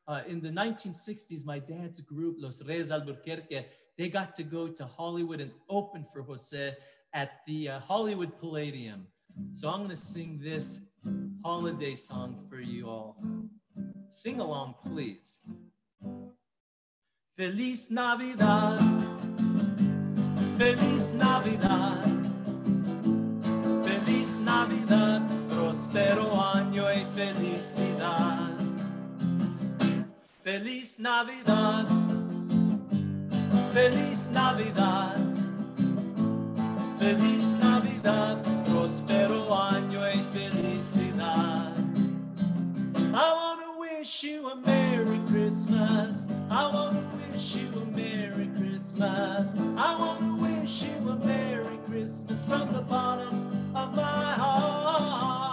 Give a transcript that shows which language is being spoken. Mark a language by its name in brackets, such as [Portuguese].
[English] In the 1960s, my dad's group, Los Reyes de Albuquerque, they got to go to Hollywood and open for Jose at the Hollywood Palladium. So I'm gonna sing this holiday song for you all. Sing along, please. [Spanish] Feliz Navidad, Feliz Navidad, Feliz Navidad. Prospero año y felicidad. Feliz Navidad. Feliz Navidad. Feliz Navidad. Prospero año y felicidad. [English] I want to wish you a Merry Christmas. I want to wish you a Merry Christmas. I want to wish you a Merry Christmas from the bottom of my heart.